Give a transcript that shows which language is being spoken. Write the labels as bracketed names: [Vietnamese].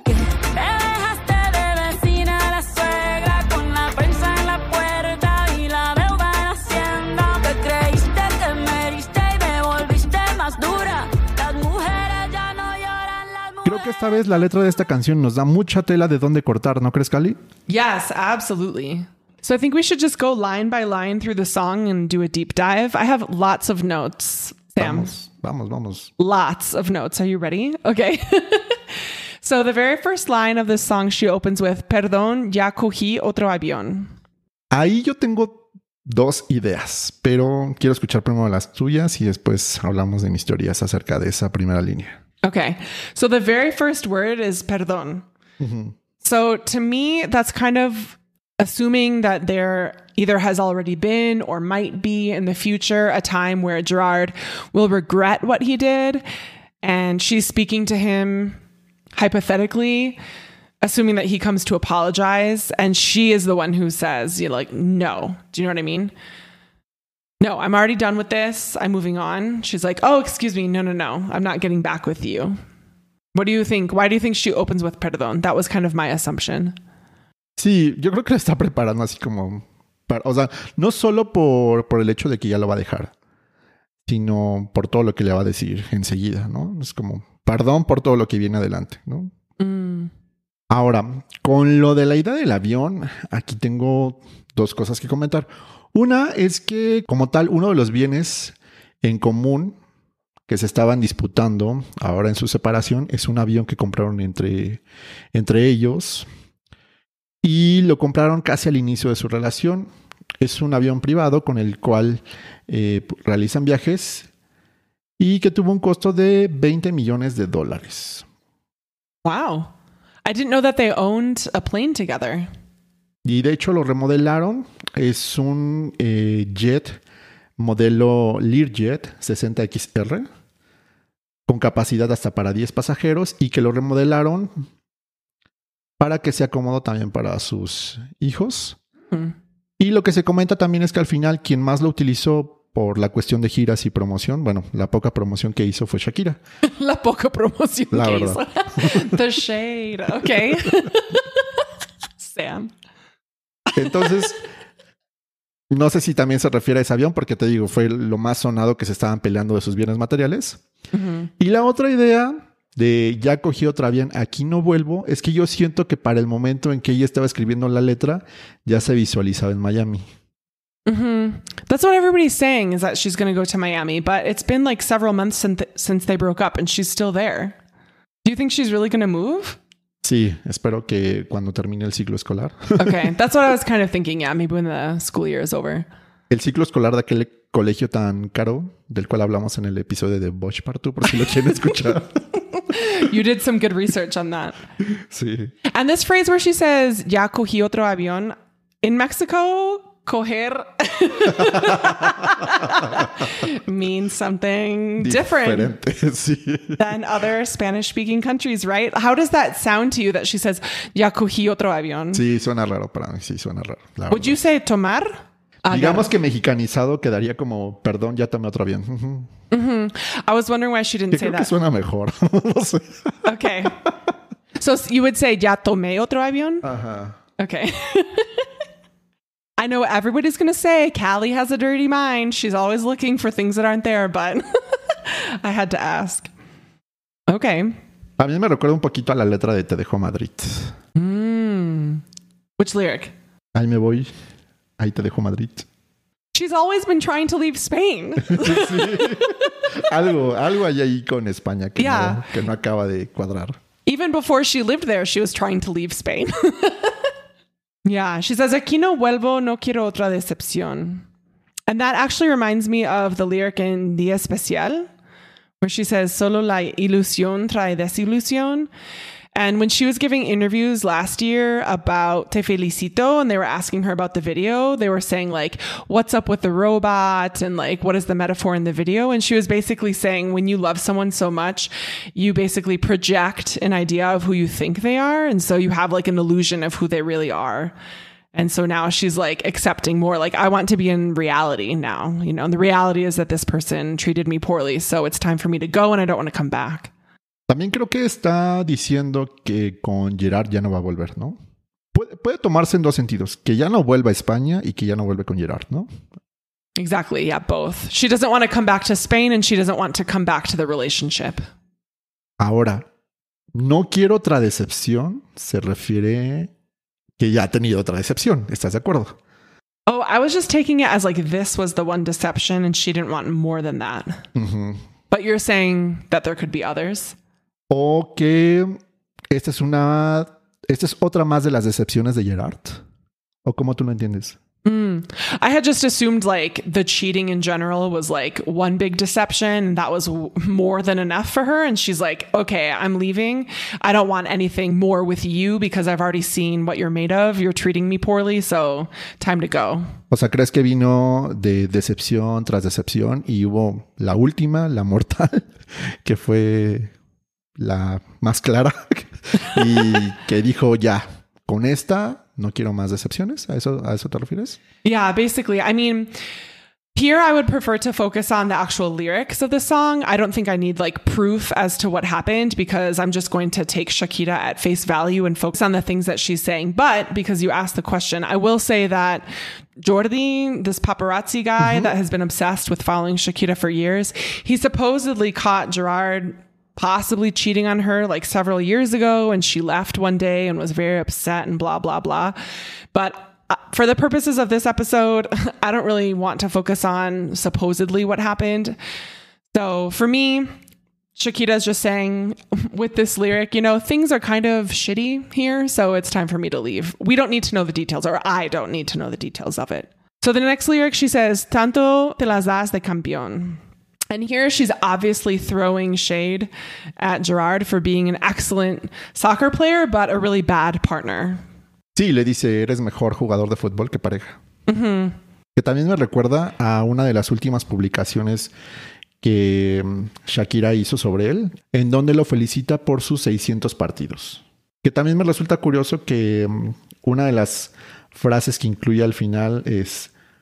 [Spanish] Te dejaste de vecina la suegra con la prensa en la puerta y la deuda en hacienda. Te creíste que me heriste y me volviste más dura. Las mujeres ya no lloran, las mujeres. Creo que esta vez la letra de esta canción nos da mucha tela de dónde cortar, ¿no crees, Cali? [English] Yes, absolutely. So I think we should just go line by line through the song and do a deep dive. I have lots of notes, Sam. [Spanish] Vamos, vamos, vamos. [English] Lots of notes. Are you ready? Okay. So the very first line of this song, she opens with, [Spanish] perdón, ya cogí otro avión. Ahí yo tengo dos ideas, pero quiero escuchar primero las tuyas y después hablamos de mis teorías acerca de esa primera línea. [English] Okay. So the very first word is perdón. Mm-hmm. So to me, that's kind of assuming that there either has already been or might be in the future a time where Gerard will regret what he did. And she's speaking to him hypothetically, assuming that he comes to apologize. And she is the one who says, you know, like, no. Do you know what I mean? No, I'm already done with this. I'm moving on. She's like, oh, excuse me. No, no, no. I'm not getting back with you. What do you think? Why do you think she opens with perdón? That was kind of my assumption. [Spanish] Sí, yo creo que la está preparando así como para, o sea, no solo por el hecho de que ya lo va a dejar, sino por todo lo que le va a decir enseguida, ¿no? Es como, perdón por todo lo que viene adelante, ¿no? Mm. Ahora, con lo de la ida del avión, aquí tengo dos cosas que comentar. Una es que, como tal, uno de los bienes en común que se estaban disputando ahora en su separación es un avión que compraron entre ellos. Y lo compraron casi al inicio de su relación. Es un avión privado con el cual realizan viajes y que tuvo un costo de $20 millones. [English] Wow. I didn't know that they owned a plane together. [Spanish] Y de hecho lo remodelaron. Es un jet modelo Learjet 60XR con capacidad hasta para 10 pasajeros y que lo remodelaron para que sea cómodo también para sus hijos. Y lo que se comenta también es que al final quien más lo utilizó por la cuestión de giras y promoción, bueno, la poca promoción que hizo fue Shakira. La poca promoción la que verdad. [English] Hizo. The shade. Ok. Sam. [Spanish] Entonces, no sé si también se refiere a ese avión, porque te digo, fue lo más sonado que se estaban peleando de sus bienes materiales. Uh-huh. Y la otra idea de ya cogí otra bien, aquí no vuelvo, es que yo siento que para el momento en que ella estaba escribiendo la letra, ya se visualizaba en Miami. Mm-hmm. [English] That's what everybody's saying, is that she's going to go to Miami, but it's been like several months since they broke up and she's still there. Do you think she's really going to move? [Spanish] Sí, espero que cuando termine el ciclo escolar. [English] Okay, that's what I was kind of thinking, yeah, maybe when the school year is over. [Spanish] El ciclo escolar de aquel colegio tan caro, del cual hablamos en el episodio de Bosch Part 2, por si lo quieren escuchar. [English] You did some good research on that. [Spanish] Sí. [English] And this phrase where she says, [Spanish] ya cogí otro avión, [English] in Mexico, coger means something different [Spanish] sí. [English] than other Spanish speaking countries, right? How does that sound to you that she says, [Spanish] ya cogí otro avión? Sí, suena raro para mí. Sí, suena raro. [English] Would verdad. You say tomar? [Spanish] Digamos que mexicanizado quedaría como, perdón, ya tomé otro avión. [English] Mm-hmm. I was wondering why she didn't [Spanish] que [English] say [Spanish] creo [English] that. [Spanish] Que suena mejor. No sé. [English] Okay. So you would say, [Spanish] ya tomé otro avión? Uh-huh. [English] Okay. I know everybody's going to say Callie has a dirty mind. She's always looking for things that aren't there, but I had to ask. Okay. [Spanish] A mí me recuerda un poquito a la letra de Te Dejo Madrid. [English] Mm. Which lyric? [Spanish] Ahí me voy. Ahí te dejo Madrid. [English] She's always been trying to leave Spain. [Spanish] algo hay ahí con España que, yeah. no, que no acaba de cuadrar. [English] Even before she lived there, she was trying to leave Spain. Yeah, she says, [Spanish] aquí no vuelvo, no quiero otra decepción. [English] And that actually reminds me of the lyric in Día Especial, where she says, [Spanish] solo la ilusión trae desilusión. [English] And when she was giving interviews last year about Te Felicito, and they were asking her about the video, they were saying, like, what's up with the robot? And, like, what is the metaphor in the video? And she was basically saying, when you love someone so much, you basically project an idea of who you think they are. And so you have, like, an illusion of who they really are. And so now she's, like, accepting more. Like, I want to be in reality now. You know, and the reality is that this person treated me poorly. So it's time for me to go, and I don't want to come back. [Spanish] También creo que está diciendo que con Gerard ya no va a volver, ¿no? Puede tomarse en dos sentidos. Que ya no vuelva a España y que ya no vuelve con Gerard, ¿no? [English] Exactly, yeah, both. She doesn't want to come back to Spain and she doesn't want to come back to the relationship. [Spanish] Ahora, no quiero otra decepción. Se refiere que ya ha tenido otra decepción. ¿Estás de acuerdo? [English] Oh, I was just taking it as like this was the one deception and she didn't want more than that. Mm-hmm. But you're saying that there could be others. [Spanish] O que esta es otra más de las decepciones de Gerard. ¿O cómo tú lo entiendes? [English] Mm. I had just assumed like the cheating in general was like one big deception. That was more than enough for her. And she's like, okay, I'm leaving. I don't want anything more with you because I've already seen what you're made of. You're treating me poorly. So time to go. [Spanish] O sea, ¿crees que vino de decepción tras decepción? Y hubo la última, la mortal, que fue... la más clara y que dijo ya con esta no quiero más decepciones. ¿A eso te refieres? [English] Yeah, basically. I mean, here I would prefer to focus on the actual lyrics of the song. I don't think I need like proof as to what happened because I'm just going to take Shakira at face value and focus on the things that she's saying. But because you asked the question, I will say that Jordi, this paparazzi guy mm-hmm. that has been obsessed with following Shakira for years, he supposedly caught Gerard possibly cheating on her like several years ago and she left one day and was very upset and blah, blah, blah. But for the purposes of this episode, I don't really want to focus on supposedly what happened. So for me, Shakira's just saying with this lyric, you know, things are kind of shitty here. So it's time for me to leave. We don't need to know the details or I don't need to know the details of it. So the next lyric, she says, [Spanish] tanto te las das de campeón. [English] And here she's obviously throwing shade at Gerard for being an excellent soccer player, but a really bad partner. [Spanish] Sí, le dice, eres mejor jugador de fútbol que pareja. Mm-hmm. Que también me recuerda a una de las últimas publicaciones que Shakira hizo sobre él, en donde lo felicita por sus 600 partidos. Que también me resulta curioso que una de las frases que incluye al final es...